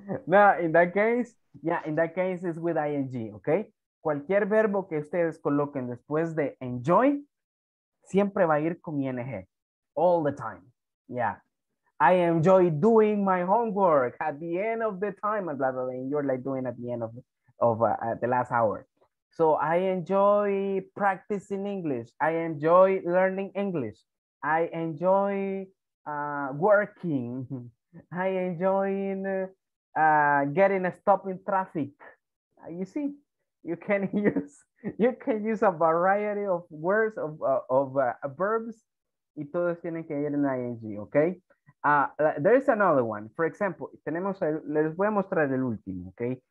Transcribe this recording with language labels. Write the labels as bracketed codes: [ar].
[en] No, in that case, yeah, in that case it's with ing, okay? [es] Cualquier verbo que ustedes coloquen después de enjoy, siempre va a ir con ing. [en] All the time, yeah. I enjoy doing my homework at the end of the time, and blah, blah, blah. You're like doing at the end of the last hour. So I enjoy practicing English. I enjoy learning English. I enjoy working. I enjoy getting a stop in traffic. You see, you can use a variety of words of verbs. [es] Y todos tienen que ir en la ing, ¿ok? [en] There is another one. [es] For example, les voy a mostrar el último, ¿ok?